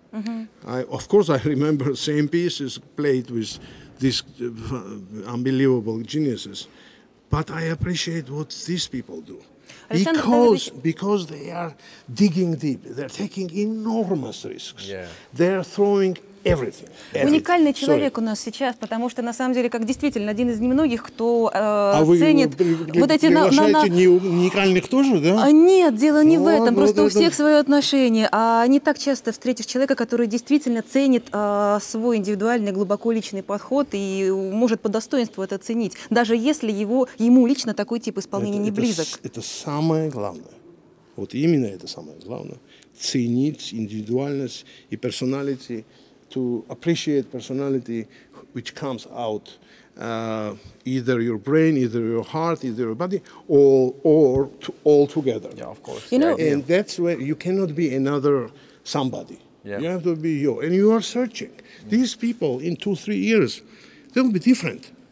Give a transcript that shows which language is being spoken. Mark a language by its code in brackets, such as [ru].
[en] Mm-hmm. I remember the same pieces played with these unbelievable geniuses. But I appreciate what these people do. Because they are digging deep, they're taking enormous risks. Yeah. They're throwing everything. [ru] Уникальный человек у нас сейчас, потому что на самом деле, как действительно, один из немногих, кто ценит вот эти уникальных тоже, да? Нет, дело не в этом. Просто у всех свое отношение. А не так часто встретишь человека, который действительно ценит свой индивидуальный, глубоко личный подход и может по достоинству это ценить, даже если ему лично такой тип исполнения не близок. Это самое главное. Вот именно это самое главное. Ценить индивидуальность и персоналити. [en] To appreciate personality which comes out either your brain, either your heart, either your body, all together. Yeah, of course. That's where you cannot be another somebody. Yeah. You have to be you. And you are searching. Mm. These people in 2-3 years, they'll be different.